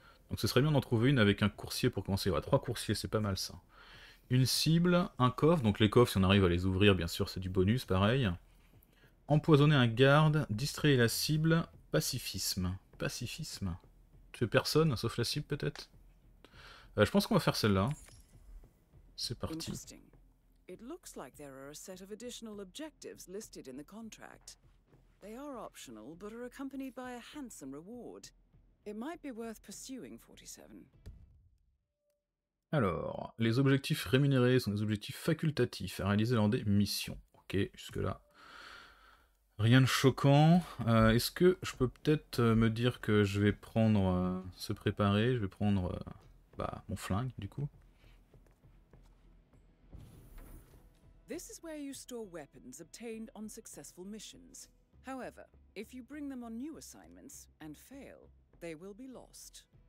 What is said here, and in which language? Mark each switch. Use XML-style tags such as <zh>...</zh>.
<fr>Donc ce serait bien d'en trouver une avec un coursier pour commencer. Ouais, trois coursiers, c'est pas mal ça. Une cible, un coffre, donc les coffres, si on arrive à les ouvrir, bien sûr, c'est du bonus, pareil. Empoisonner un garde, distraire la cible, pacifisme. Pacifisme. Tu fais personne, sauf la cible, peut-être? Je pense qu'on va faire celle-là. C'est parti.</fr> <en>Interesting. It looks like there are a set of additional objectives listed in the contract. They are optional, but are accompanied by a handsome reward. It might be worth pursuing 47.</en> <fr>Alors, les objectifs rémunérés sont des objectifs facultatifs à réaliser lors des missions. Ok, jusque là. Rien de choquant. Est-ce que je peux peut-être me dire que je vais prendre se préparer, je vais prendre mon flingue du coup.</fr> <en>This is where you store weapons obtained on successful missions. However, if you bring them on new assignments and fail, they will be lost.</en>